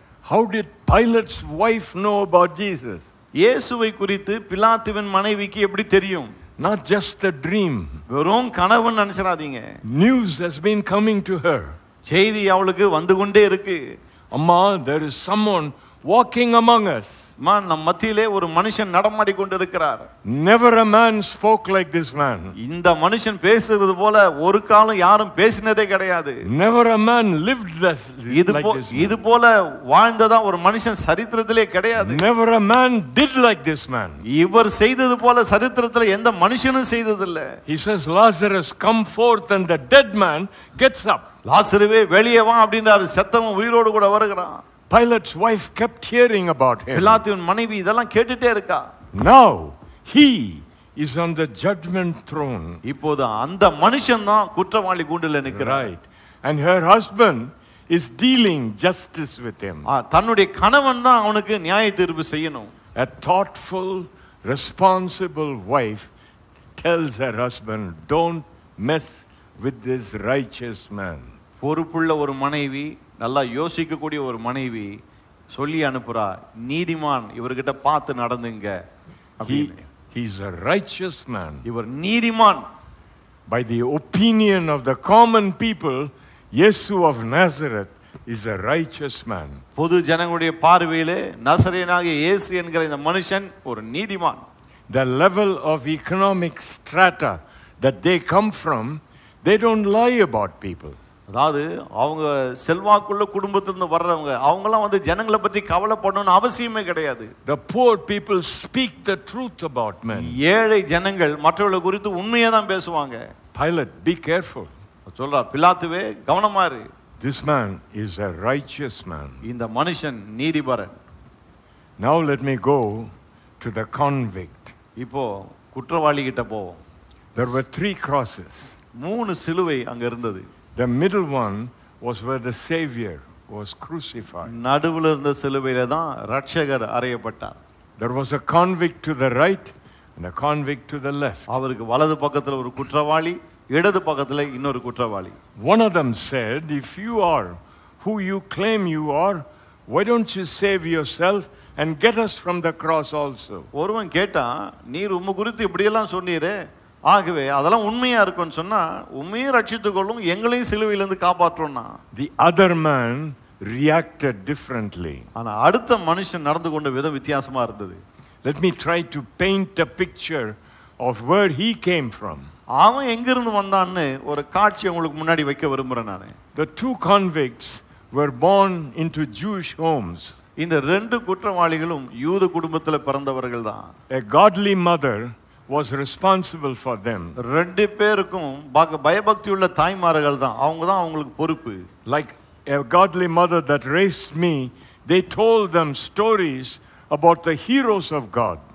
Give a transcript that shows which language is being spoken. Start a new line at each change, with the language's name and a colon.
English: How did Pilate's wife know about Jesus?
Tamil: இயேசுவை குறித்து பிலாத்துவின் மனைவிக்கு எப்படி தெரியும்?
English: Not just a dream.
Tamil: வெறும் கனவு நினைச்சிடாதீங்க.
English: News has been coming to her.
Tamil: செய்தி அவளுக்கு வந்து கொண்டே இருக்கு.
English: அம்மா, there is someone walking among us.
Tamil: மா, நம் மத்தியிலே ஒரு மனுஷன் நடமாடி கொண்டிருக்கிறார்.
English: Never a man spoke like this man.
Tamil: இந்த மனுஷன் பேசுறது போல ஒரு காலம் யாரும் பேசினதே கிடையாது.
English: Never a man lived this
Tamil: இது போல வாழ்ந்ததா ஒரு மனுஷன் சரித்திரத்திலே கிடையாது.
English: Never a man did like this man.
Tamil: இவர் செய்தது போல சரித்திரத்தில் எந்த மனுஷனும் செய்ததில்லை.
English: He says, Lazarus, come forth, and the dead man gets up.
Tamil: லாசருவே வெளியே வா அப்படின்றாரு, செத்தவன் உயிரோடு கூட வருகிறான்.
English: Pilate's wife kept hearing about him.
Tamil: பிலாத்துவின் மனைவி இதெல்லாம் கேட்டுட்டே இருக்கா.
English: Now he is on the judgment throne.
Tamil: இப்போது அந்த மனுஷன் தான் குற்றவாளி கூண்டில் நிற்கிறார்.
English: And her husband is dealing justice with him.
Tamil: தன்னுடைய கணவன் தான் அவனுக்கு நியாய தீர்ப்பு செய்யணும்.
English: A thoughtful, responsible wife tells her husband, "Don't mess with this righteous man."
Tamil: பொறுப்புள்ள ஒரு மனைவி, நல்லா யோசிக்க கூடிய ஒரு மனைவி சொல்லி அனுப்புறா, நீதிமான் இவர்கிட்ட பார்த்து நடந்துங்க.
English: He's a righteous man.
Tamil: இவர் நீதிமான்.
English: By the opinion of the common people, Yesu of Nazareth is a righteous man.
Tamil: பொது ஜனங்களுடைய பார்வையிலே நசரேயனாகிய இயேசு என்கிற இந்த மனுஷன் ஒரு நீதிமான்.
English: The level of economic strata that they come from, they don't lie about people.
Tamil: அதாவது அவங்க செல்வாக்குள்ள குடும்பத்திலிருந்து வர்றவங்க அவங்கெல்லாம் வந்து ஜனங்களை பற்றி கவலைப்படணும்னு அவசியமே கிடையாது.
English: The poor people speak the truth about men.
Tamil: ஏழை ஜனங்கள் மற்றவர்களை குறித்து உண்மையே தான் பேசுவாங்க.
English: Pilate, be careful.
Tamil: சொல்றா பிலாத்துவே கவனமா இரு.
English: This man is a righteous man.
Tamil: இந்த மனுஷன் நீதிபரன்.
English: Now let me go to the convict.
Tamil: இப்போ குற்றவாளி கிட்ட போவோம்.
English: There were three crosses.
Tamil: மூணு சிலுவை அங்க இருந்தது.
English: The middle one was where the savior was crucified.
Tamil: நடுவுல இருந்த சிலுவையில தான் இரட்சகர் அறையப்பட்டார்.
English: There was a convict to the right and a convict to the left.
Tamil: அவருக்கு வலது பக்கத்துல ஒரு குற்றவாளி, இடது பக்கத்துல இன்னொரு குற்றவாளி.
English: One of them said, "If you are who you claim you are, why don't you save yourself and get us from the cross also?"
Tamil: ஒருவன் கேட்டா, "நீர் உம்மை குறித்து இப்படி எல்லாம் சொன்னீரே, ஆகவே அதெல்லாம் உண்மையா இருக்கும்னு சொன்னா உண்மையை ரட்சித்துக் கொள்ளும், எங்களையும் சிலுவையிலிருந்து காப்பாற்றணும்னா."
English: The other man reacted differently.
Tamil: ஆனா அடுத்த மனுஷன் நடந்து கொண்ட விதம் வித்தியாசமா இருந்தது.
English: Let me try to paint a picture of where he came from.
Tamil: அவன் எங்கிருந்து வந்தான்னு ஒரு காட்சி உங்களுக்கு முன்னாடி வைக்க விரும்புறேன் நானு.
English: The two convicts were born into Jewish homes.
Tamil: இந்த ரெண்டு குற்றவாளிகளும் யூத குடும்பத்தில் பிறந்தவர்கள் தான்.
English: A godly mother was responsible for them.
Tamil: ரெண்டு பேருக்கும் பயபக்தியுள்ள தாய்மார்கள் தான், அவங்க தான் அவங்களுக்கு பொறுப்பு.
English: Like a godly mother that raised me, they told them stories about the heroes of God.